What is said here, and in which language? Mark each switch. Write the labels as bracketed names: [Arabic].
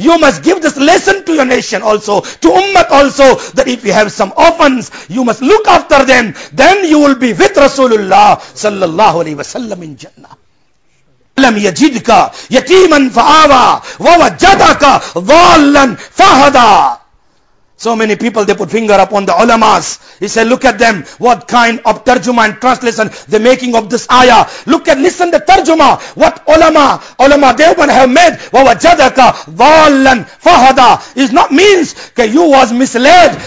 [English] You must give this lesson to your nation also, to ummah also, that if you have some orphans, you must look after them. Then you will be with Rasulullah sallallahu alaihi wasallam in Jannah. [Arabic] لم يجدك يتيما فآوى ووجدك ضالا فهدى. [English] So many people, they put finger upon the ulamas. He said, look at them. What kind of tarjuma and translation they making of this ayah. Look at, listen the tarjuma. What ulama Devan have made. [Arabic] وَوَجَدَكَ ظَالًا فَهَدَى [English] is not means that you was misled.